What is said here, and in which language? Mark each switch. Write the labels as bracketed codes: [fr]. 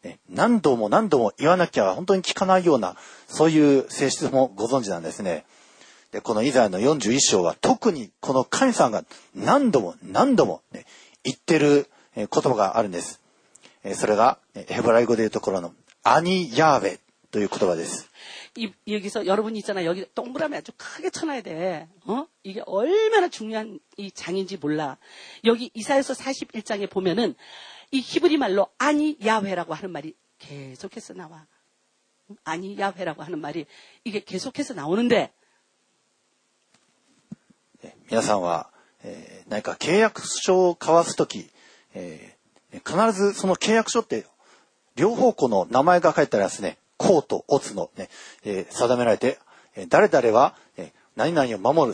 [ja] 何度も何度も言わなきゃ本当に聞かないようなそういう性質もご存知なんですね。でこのイザヤの41章は特にこの神さんが何度も何度も、ね、言ってる言葉があるんです。それがヘブライ語でいうところのアニヤーベという言葉です。 [ko] 여기서여러분이있잖아요.여기동그라미아주크게쳐놔야돼. 어? 이게얼마나중요한이장인지몰라. 여기이사야서41장에보면은이히브리말로아니야훼라고하는말이계속해서나와. 아니야훼라고하는말이이게계속해서나오는데. [ja] 皆さんは何か契約書を交わすとき必ずその契約書って両方向の名前が書いてありますね。こうとおつの、ね定められて、誰々は、何々を守る。